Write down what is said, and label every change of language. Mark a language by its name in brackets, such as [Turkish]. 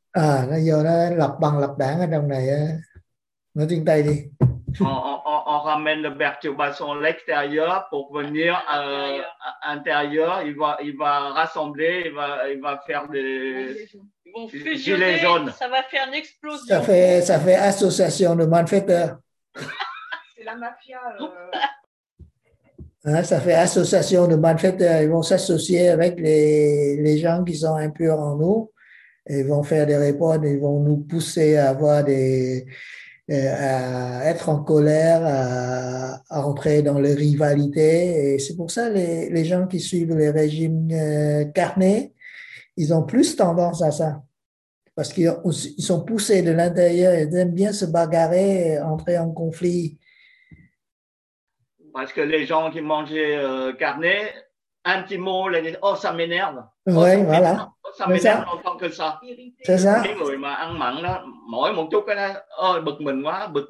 [Vietnamese] À, nó vô nó lập bằng lập đảng ở trong này. Nói tiếng Tây đi. [French] On ramène la perturbation à l'extérieur pour venir à l'intérieur. Il va rassembler, il va faire des gilets jaunes. Ça va faire une explosion. Ça fait association de malfaiteurs. C'est la mafia. Hein, ça fait association de malfaiteurs. Ils vont s'associer avec les gens qui sont impurs en nous. Ils vont faire des réponses, ils vont nous pousser à avoir à être en colère, à entrer dans les rivalités. Et c'est pour ça que les gens qui suivent les régimes carnés, ils ont plus tendance à ça. Parce qu'ils sont poussés de l'intérieur, ils aiment bien se bagarrer, entrer en conflit. Parce que les gens qui mangeaient carnés, un petit mot, ils disent « Oh, ça m'énerve !» Oui, oh, voilà. Ça m'énerve longtemps que ça. C'est ça. [Vietnamese] Les người mà ăn mặn đó, mỗi một chút cái đó, ôi bực mình quá.